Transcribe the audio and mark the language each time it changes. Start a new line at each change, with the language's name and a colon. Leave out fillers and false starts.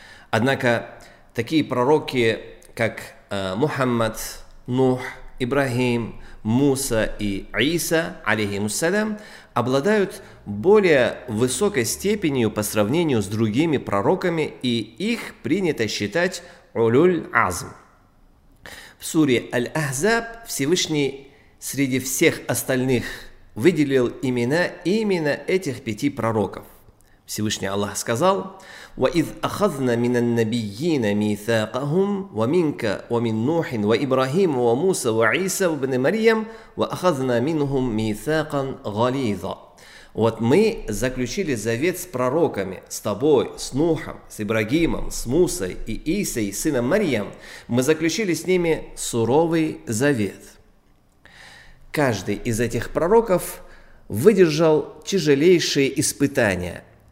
Russian: Однако такие пророки, как Мухаммад, Нух, Ибрагим, Муса и Иса, алейхиссалям, обладают более высокой степенью по сравнению с другими пророками, и их принято считать улюль-азм. В суре Аль-Ахзаб Всевышний среди всех остальных выделил имена именно этих пяти пророков. Всевышний Аллах сказал:
Arabic: وَإِذْ أَخَذْنَا مِنَ النَّبِيِّينَ مِيثَاقَهُمْ وَمِنْكَ وَمِنْ نُوحٍ وَإِبْرَاهِيمَ وَمُوسَى وَعِيسَى وَابْنِ مَرْيَمَ وَأَخَذْنَا مِنْهُمْ مِيثَاقًا غَلِيظًا.
Russian: Вот мы заключили завет с пророками, с тобой, с Нухом, с Ибрагимом, с Мусой и Исой, сыном Марьям. Мы заключили с ними суровый завет. Каждый из этих пророков выдержал тяжелейшие испытания.